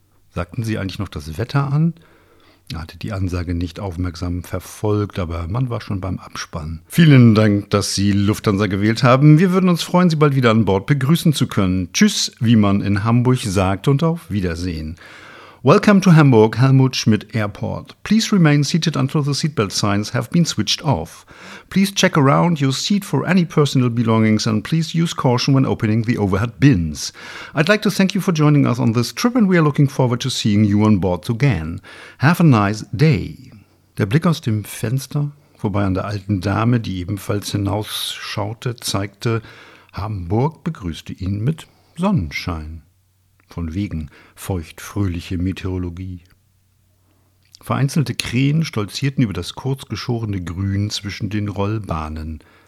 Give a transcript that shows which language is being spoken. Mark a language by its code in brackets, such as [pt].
[de] Sagten sie eigentlich noch das Wetter an? Er hatte die Ansage nicht aufmerksam verfolgt, aber man war schon beim Abspann. Vielen Dank, dass Sie Lufthansa gewählt haben. Wir würden uns freuen, Sie bald wieder an Bord begrüßen zu können. Tschüss, wie man in Hamburg sagt, und auf Wiedersehen. [en] Welcome to Hamburg, Helmut Schmidt Airport. Please remain seated until the seatbelt signs have been switched off. Please check around your seat for any personal belongings and please use caution when opening the overhead bins. I'd like to thank you for joining us on this trip and we are looking forward to seeing you on board again. Have a nice day. [de] Der Blick aus dem Fenster, vorbei an der alten Dame, die ebenfalls hinausschaute, zeigte, Hamburg begrüßte ihn mit Sonnenschein. Von wegen feuchtfröhliche Meteorologie. Vereinzelte Krähen stolzierten über das kurzgeschorene Grün zwischen den Rollbahnen.